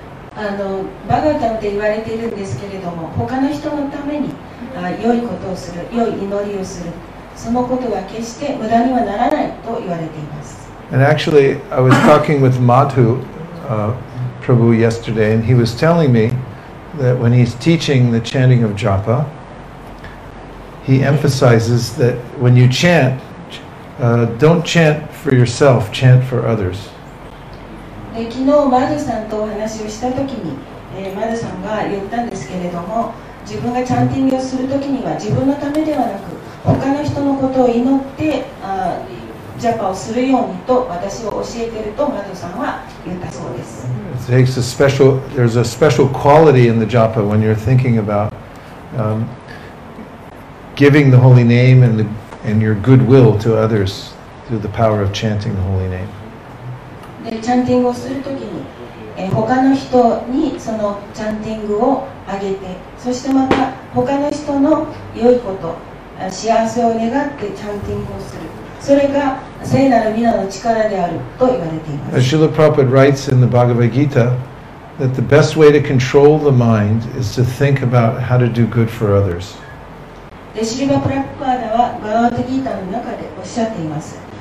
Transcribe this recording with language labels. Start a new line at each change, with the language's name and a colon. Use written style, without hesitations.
Japanese: Bhagavatam って言われているんですけれども、他の人のために良いことをする、良い祈りをする、そのことは決して無駄にはならないと言われています。
English: And actually, I was talking with Madhu, Prabhu yesterday, and he was telling me that when he's teaching the chanting of japa, he emphasizes that when you chant, don't chant for yourself, chant for others.
Japanese: で、昨日マドさんとお話をした時に、マドさんが言ったんですけれども、自分がチャンティングをする時には自分のためではなく、他の人のことを祈って、ジャパをするようにと私を教えているとマドさんは言ったそうです。
English: It takes a special, there's a special quality in the japa when you're thinking about, giving the holy name and, and your goodwill to others through the power of chanting the holy name.
Japanese: で、チャンティングをするときに、他の人にそのチャンティングをあげて、そしてまた他の人の良いこと、幸せを願ってチャンティングをする。それが聖なる皆の力であると言われています。
English: Srila Prabhupada writes in the Bhagavad Gita that the best way to control the mind is to think about how to do good for others.
Japanese: でシリバ・プラッパーダはバガヴァッド・ギータの中でおっしゃっています。